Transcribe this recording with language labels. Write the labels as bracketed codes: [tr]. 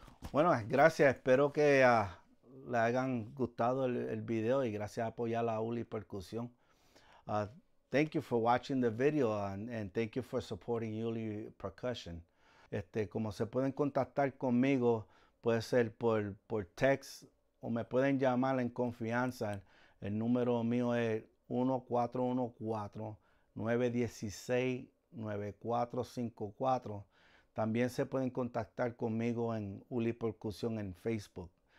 [es] Bueno, gracias. Espero que le hayan gustado el video y gracias a apoyar la Ulipercussion. [en] Thank you for watching the video and thank you for supporting Ulipercussion. [es] Como se pueden contactar conmigo, puede ser por text o me pueden llamar en confianza. El número mío es 1414-916-9454. También se pueden contactar conmigo en Ulipercussion en Facebook.